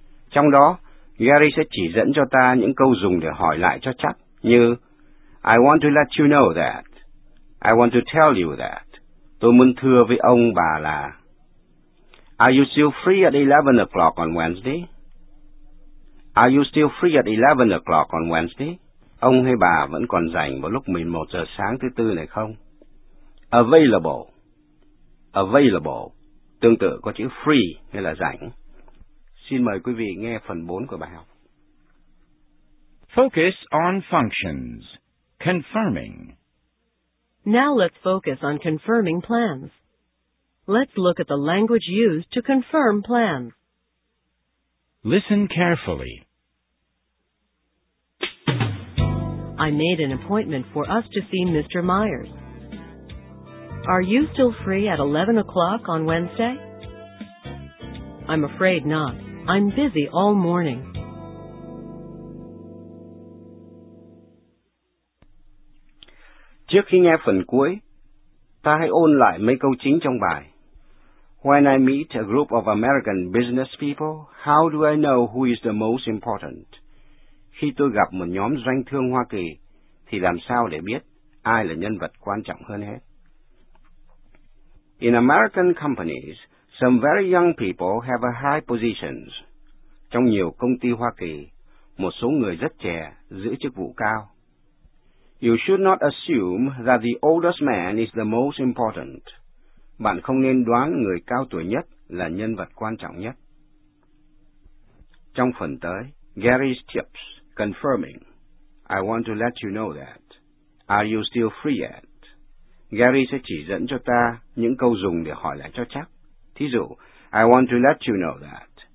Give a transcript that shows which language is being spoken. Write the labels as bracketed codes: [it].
[vi] Trong đó, Gary sẽ chỉ dẫn cho ta những câu dùng để hỏi lại cho chắc như [en] I want to let you know that. I want to tell you that. [vi] Tôi muốn thưa với ông bà là [en] Are you still free at 11 o'clock on Wednesday? Are you still free at 11 o'clock on Wednesday? [vi] Ông hay bà vẫn còn rảnh vào lúc 11 giờ sáng thứ tư này không? Available. Available. Tương tự có chữ free, nghĩa là rảnh. Xin mời quý vị nghe phần 4 của bài học. [en] Focus on functions. Confirming. Now let's focus on confirming plans. Let's look at the language used to confirm plans. Listen carefully. I made an appointment for us to see Mr. Myers. Are you still free at 11 o'clock on Wednesday? I'm afraid not. I'm busy all morning. [vi] Trước khi nghe phần cuối, ta hãy ôn lại mấy câu chính trong bài. [en] When I meet a group of American business people, how do I know who is the most important? [vi] Khi tôi gặp một nhóm doanh thương Hoa Kỳ, thì làm sao để biết ai là nhân vật quan trọng hơn hết? [en] In American companies, some very young people have high positions. [vi] Trong nhiều công ty Hoa Kỳ, một số người rất trẻ giữ chức vụ cao. [en] You should not assume that the oldest man is the most important. [vi] Bạn không nên đoán người cao tuổi nhất là nhân vật quan trọng nhất. Trong phần tới, Gary's tips, confirming. [en] I want to let you know that. Are you still free yet? [vi] Gary sẽ chỉ dẫn cho ta những câu dùng để hỏi lại cho chắc. Thí dụ, [en] I want to let you know that.